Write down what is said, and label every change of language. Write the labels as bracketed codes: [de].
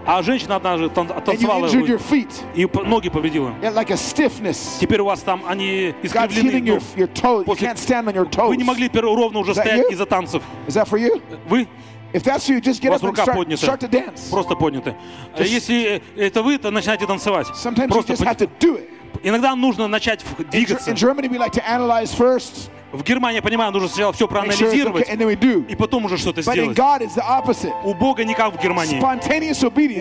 [ru] А женщина однажды танцевала. [en] And you injured your feet. [ru] И ноги повредила. [en] Yeah, like a stiffness. [ru] Теперь у вас там они искривлены. [en] God's healing your toes. You can't stand on your toes. [ru] Вы не могли ровно уже стоять из-за танцев. [en] Is that for you? [ru] Вы? [en] If that's you, just get up and start to dance. [ru] Просто поднято. Если это вы, то начинайте танцевать. [en] Sometimes you just have to do it. [ru] Иногда нужно начать двигаться. [en] In Germany, we like to analyze first. [ru] В Германии, я понимаю, нужно сначала все проанализировать, [en] sure okay, [ru] и потом уже что-то сделать. У Бога не как в Германии.